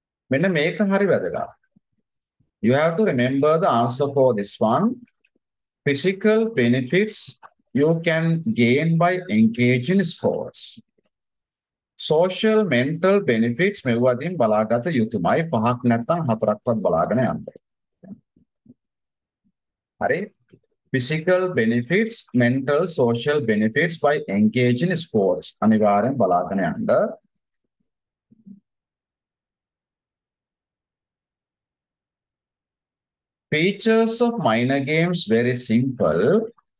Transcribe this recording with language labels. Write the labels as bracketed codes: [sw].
[si] මෙන්න මේක හරි වැදගත්. [en] You have to remember the answer for this one. Physical benefits you can gain by engaging in sports. Social mental benefits [si] මෙවුවදින් බලාගත යුතුමයි. පහක් නැත්තම් හතරක්වත් බලාගෙන යන්න. හරි. [en] Physical benefits, mental, social benefits by engaging in sports. [si] අනිවාර්යෙන් බලාගෙන යන්න. [en] Features of minor games very simple.